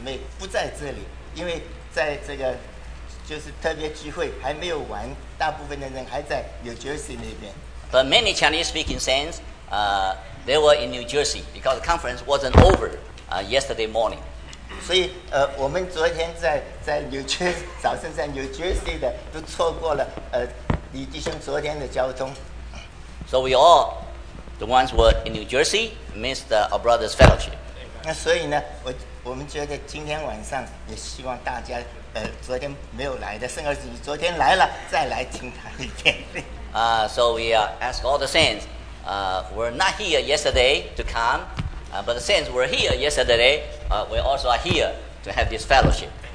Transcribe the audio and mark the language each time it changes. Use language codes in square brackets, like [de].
[zh] 但是呢，你们知道，昨天早上我们很多弟兄姊妹不在这里，因为在这个。 [en] But many Chinese-speaking saints, they were in New Jersey because the conference wasn't over yesterday morning. [zh] 所以，我们昨天在早晨在New Jersey的都错过了李弟兄昨天的交通。So [en] we all, the ones who were in New Jersey, missed our brother's fellowship. [zh] 那所以呢，我们觉得今天晚上也希望大家。昨天没有来的圣儿子，你昨天来了，再来听他一遍。 [en] So we ask all the saints, were not here yesterday to come, but the saints were here yesterday. We also are here to have this fellowship.